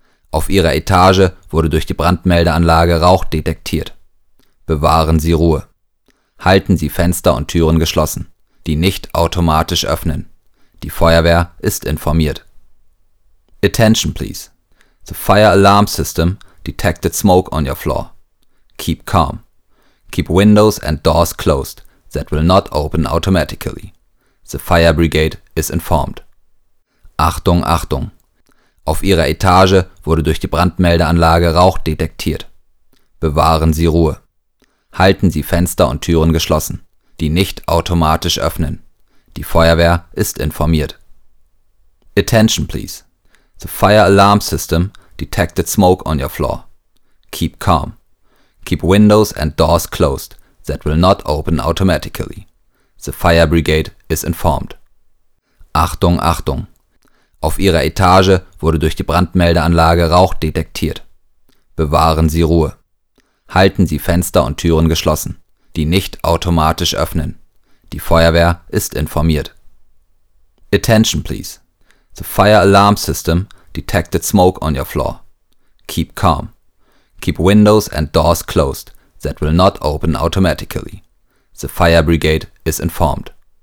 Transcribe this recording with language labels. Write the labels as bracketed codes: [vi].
[de] Auf Ihrer Etage wurde durch die Brandmeldeanlage Rauch detektiert. Bewahren Sie Ruhe. Halten Sie Fenster und Türen geschlossen, die nicht automatisch öffnen. Die Feuerwehr ist informiert. [en] Attention, please. The fire alarm system detected smoke on your floor. Keep calm. Keep windows and doors closed that will not open automatically. The fire brigade is informed. [de] Achtung, Achtung! Auf Ihrer Etage wurde durch die Brandmeldeanlage Rauch detektiert. Bewahren Sie Ruhe. Halten Sie Fenster und Türen geschlossen, die nicht automatisch öffnen. Die Feuerwehr ist informiert. [en] Attention, please. The fire alarm system detected smoke on your floor. Keep calm. Keep windows and doors closed that will not open automatically. The fire brigade is informed. [de] Achtung, Achtung! Auf Ihrer Etage wurde durch die Brandmeldeanlage Rauch detektiert. Bewahren Sie Ruhe. Halten Sie Fenster und Türen geschlossen, die nicht automatisch öffnen. Die Feuerwehr ist informiert. [en] Attention, please. The fire alarm system detected smoke on your floor. Keep calm. Keep windows and doors closed that will not open automatically. The fire brigade is informed.